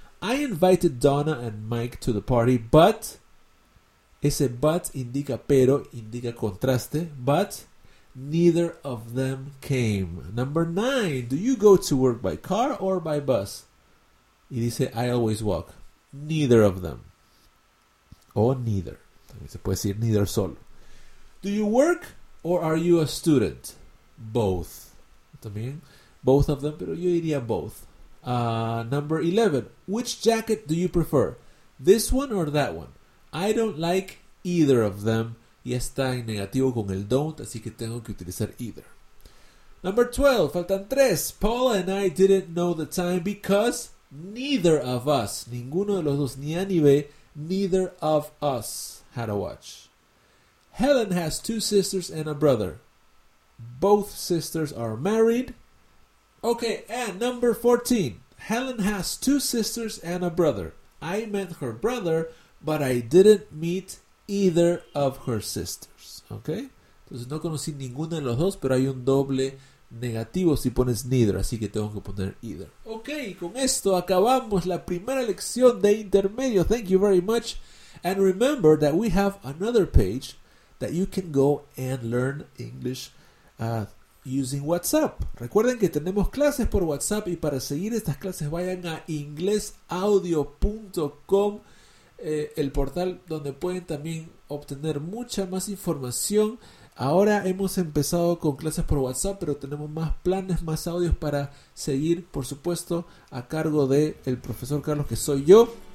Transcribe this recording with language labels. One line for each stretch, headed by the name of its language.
English: I invited Donna and Mike to the party, but
Spanish: ese but indica pero, indica contraste,
English: but neither of them came. Number nine, do you go to work by car or by bus?
Spanish: Y dice,
English: I always walk. Neither of them. O neither.
Spanish: También se puede decir neither solo.
English: Do you work or are you a student? Both.
Spanish: También, both of them, pero yo diría both.
English: Number 11. Which jacket do you prefer? This one or that one? I don't like either of them.
Spanish: Y está en negativo con el don't, así que tengo que utilizar either.
English: Number 12.
Spanish: Faltan tres.
English: Paula and I didn't know the time because neither of us,
Spanish: ninguno de los dos, ni A ni B,
English: neither of us had a watch. Helen has two sisters and a brother. Both sisters are married. Okay, and number 14. Helen has two sisters and a brother. I met her brother, but I didn't meet either of her sisters. Okay?
Spanish: Entonces no conocí ninguna de los dos, pero hay un doble negativo si pones neither, así que tengo que poner either. Ok, con esto acabamos la primera lección de intermedio.
English: Thank you very much. And remember that we have another page that you can go and learn English using WhatsApp.
Spanish: Recuerden que tenemos clases por WhatsApp y para seguir estas clases vayan a inglesaudio.com, el portal donde pueden también obtener mucha más información. Ahora hemos empezado con clases por WhatsApp, pero tenemos más planes, más audios para seguir, por supuesto, a cargo del profesor Carlos, que soy yo.